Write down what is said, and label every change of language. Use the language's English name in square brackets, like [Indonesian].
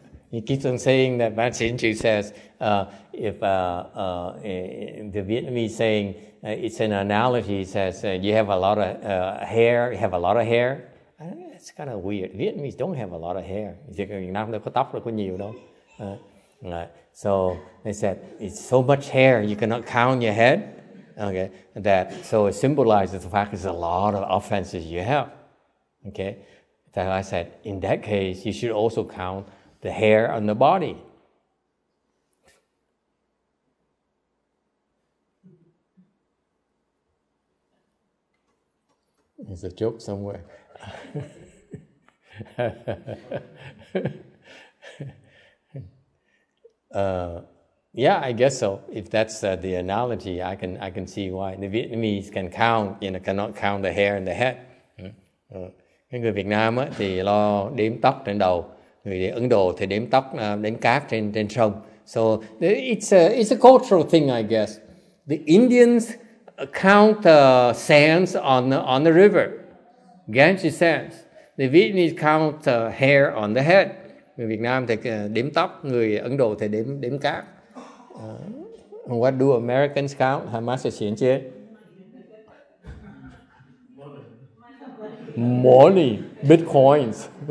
[English] He keeps on saying that Ban Chien Chu says the Vietnamese saying it's an analogy. He says you have a lot of hair. You have a lot of hair. It's kind of weird. Vietnamese don't have a lot of hair. [Vietnamese] Việt Nam đâu có tóc đâu có nhiều đâu. [English] So they said it's so much hair you cannot count your head. Okay, that so it symbolizes the fact there's a lot of offenses you have. Okay, that I said in that case you should also count the hair on the body. There's a joke somewhere. yeah, I guess so. If that's the analogy, I can see why the Vietnamese can count, you know, cannot count the hair in the head. [Vietnamese] Cái người Việt Nam á thì lo đếm tóc trên đầu. Người Ấn Độ thì đếm tóc, đếm cát trên sông. [English] So it's a cultural thing, I guess. The Indians count sands on the river, Ganges sands. The Vietnamese count hair on the head. [Vietnamese] Người Việt Nam thì đếm tóc, người Ấn Độ thì đếm cát. [English] What do Americans count? How much is it? Money, bitcoins.